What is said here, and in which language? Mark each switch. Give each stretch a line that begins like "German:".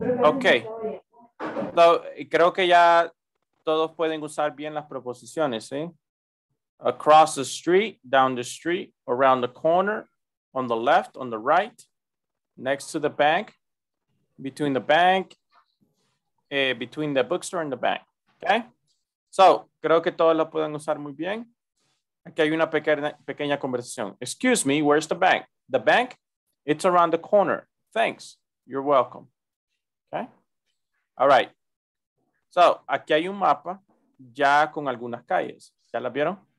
Spanish: Okay, so, creo que ya todos pueden usar bien las proposiciones, ¿sí?
English: Across the street, down the street, around the corner, on the left, on the right, next to the bank, between the bank, between the bookstore and the bank, okay?
Spanish: So, creo que todos lo pueden usar muy bien. Aquí hay una pequeña conversación.
English: Excuse me, where's the bank? The bank? It's around the corner. Thanks. You're welcome. Okay? All right.
Spanish: So, aquí hay un mapa ya con algunas calles. ¿Ya las vieron?